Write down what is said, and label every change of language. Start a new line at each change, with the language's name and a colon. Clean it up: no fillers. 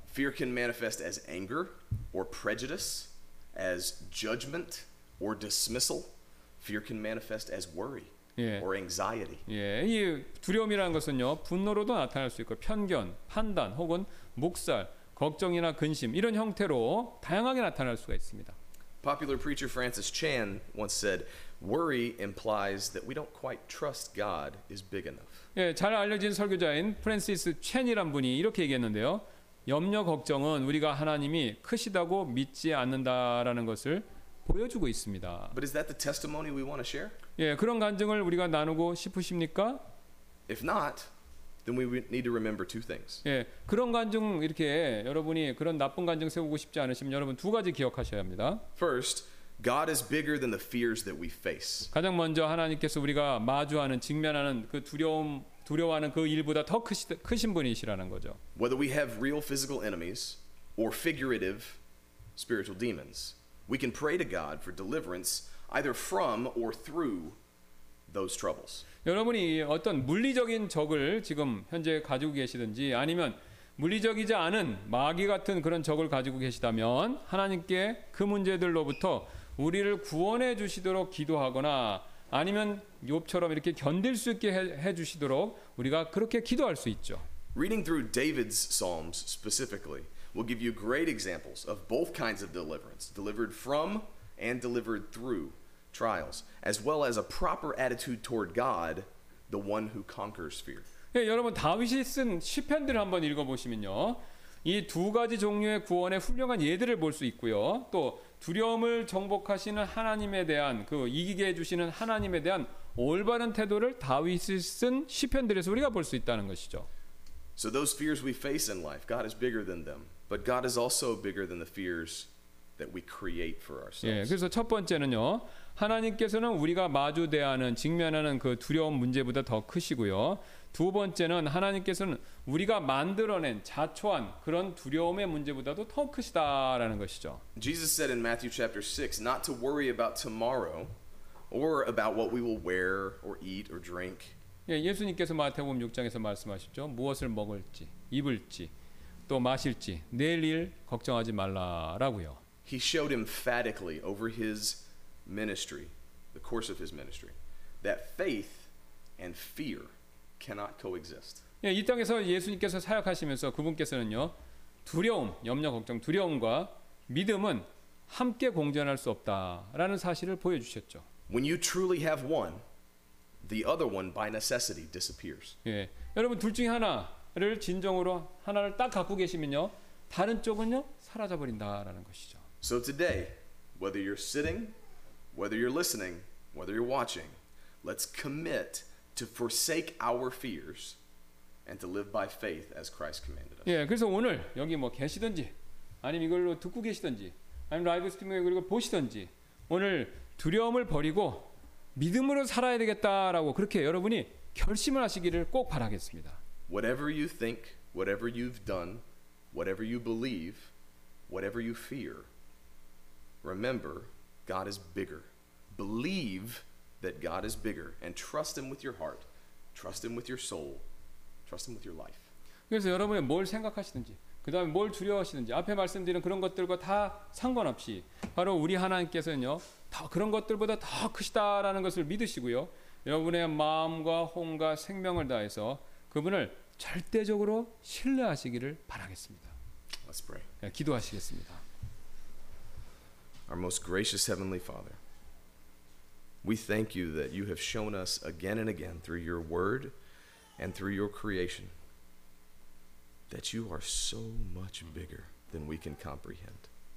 English: Fear can manifest as anger or prejudice, as judgment or dismissal. Fear can manifest as worry.
Korean: 예.
English: Or anxiety.
Korean: 예, 이 두려움이라는 것은요, 분노로도 나타날 수 있고 편견, 판단 혹은 묵살, 걱정이나 근심 이런 형태로 다양하게 나타날 수가 있습니다.
English: Popular preacher Francis Chan once said, "Worry implies that we don't quite trust God is big enough."
Korean: 예, 잘 알려진 설교자인 프랜시스 첸이란 분이 이렇게 얘기했는데요. 염려, 걱정은 우리가 하나님이 크시다고 믿지 않는다라는 것을 보여주고 있습니다.
English: But is that the testimony we want to share?
Korean: 예, 그런 간증을 우리가 나누고 싶으십니까?
English: If not, then we need to remember two things.
Korean: 예, 그런 간증 이렇게 여러분이 그런 나쁜 간증 세우고 싶지 않으시면 여러분 두 가지 기억하셔야 합니다.
English: First, God is bigger than the fears that we face.
Korean: 가장 먼저 하나님께서 우리가 마주하는 직면하는 그 두려워하는 그 일보다 더 크신 분이시라는 거죠.
English: Whether we have real physical enemies or figurative spiritual demons, we can pray to God for deliverance either from or through those troubles.
Korean: 여러분이 어떤 물리적인 적을 지금 현재 가지고 계시든지 아니면 물리적이지 않은 마귀 같은 그런 적을 가지고 계시다면 하나님께 그 문제들로부터 우리를 구원해 주시도록 기도하거나 아니면 욥처럼 이렇게 견딜 수 있게 해 주시도록 우리가 그렇게 기도할 수 있죠.
English: Reading through David's Psalms specifically will give you great examples of both kinds of deliverance, delivered from and delivered through trials, as well as a proper attitude toward God, the one who conquers fear.
Korean: 예, 여러분 다윗이 쓴 시편들을 한번 읽어 보시면요. 이 두 가지 종류의 구원의 훌륭한 예들을 볼 수 있고요. 또 두려움을 정복하시는 하나님에 대한 그 이기게 해 주시는 하나님에 대한 올바른 태도를 다윗이 쓴 시편들에서 우리가 볼 수 있다는 것이죠.
English: So those fears we face in life, God is bigger than them. But God is also bigger than the fears that we create for ourselves.
Korean: 예, 그래서 첫 번째는요. 하나님께서는 우리가 마주대하는 직면하는 그 두려운 문제보다 더 크시고요. 두 번째는 하나님께서는 우리가 만들어낸 자초한 그런 두려움의 문제보다도 더 크시다라는 것이죠.
English: Jesus said in Matthew chapter 6 not to worry about tomorrow or about what we will wear or eat or drink.
Korean: 예, 예수님께서 마태복음 6장에서 말씀하셨죠. 무엇을 먹을지, 입을지, 또 마실지 내일 일 걱정하지 말라라고요.
English: He showed emphatically over his ministry, the course of his ministry, that faith and fear cannot coexist.
Korean: 예, 이 땅에서 예수님께서 사역하시면서 그분께서는요, 두려움, 염려, 걱정, 두려움과 믿음은 함께 공존할 수 없다라는 사실을 보여주셨죠.
English: When you truly have one, the other one by necessity disappears.
Korean: 예, 여러분 둘 중에 하나를 진정으로 하나를 딱 갖고 계시면요, 다른 쪽은요 사라져 버린다라는 것이죠.
English: So today, whether you're sitting, whether you're listening, whether you're watching, let's commit to forsake our fears and to live by faith as Christ commanded us.
Korean: 예, 그래서 오늘 여기 뭐 계시든지 아니면 이걸로 듣고 계시든지 아니면 라이브 스트리밍에 그리고 보시든지 오늘 두려움을 버리고 믿음으로 살아야 되겠다라고 그렇게 여러분이 결심을 하시기를 꼭 바라겠습니다.
English: Whatever you think, whatever you've done, whatever you believe, whatever you fear, remember God is bigger. Believe that God is bigger and trust him with your heart, trust him with your soul, trust him with your life.
Korean: 그래서 여러분이 뭘 생각하시든지 그다음에 뭘 두려워하시든지 앞에 말씀드린 그런 것들과 다 상관없이 바로 우리 하나님께서는요. 더 그런 것들보다 더 크시다라는 것을 믿으시고요. 여러분의 마음과 혼과 생명을 다해서 그분을 절대적으로 신뢰하시기를 바라겠습니다.
English: Let's pray.
Korean: 예, 기도하시겠습니다.
English: Our most gracious heavenly Father, we thank you that you have shown us again and again through your word and through your creation that you are so much bigger than we can comprehend.